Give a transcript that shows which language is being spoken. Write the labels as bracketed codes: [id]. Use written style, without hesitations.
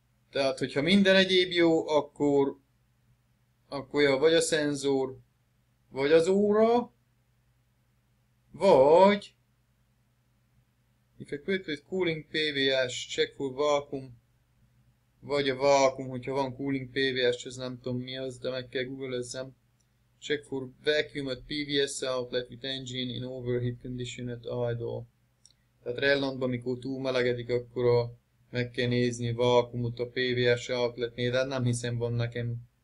[hu] Tehát, hogyha minden egyéb jó, akkor ja, vagy a szenzor, vagy az óra, vagy [en] if a quick cooling PVS, check for vacuum, [hu] vagy a vacuum, hogyha van cooling PVS, ez nem tudom mi az, de meg kell googlezzem. [en] Check for vacuum at PVS outlet with engine in overheat condition at idle. [hu] Tehát rellandban, amikor túl melegedik, akkor meg kell nézni vacuumot a PVS outletnél, de nem hiszem van nekem.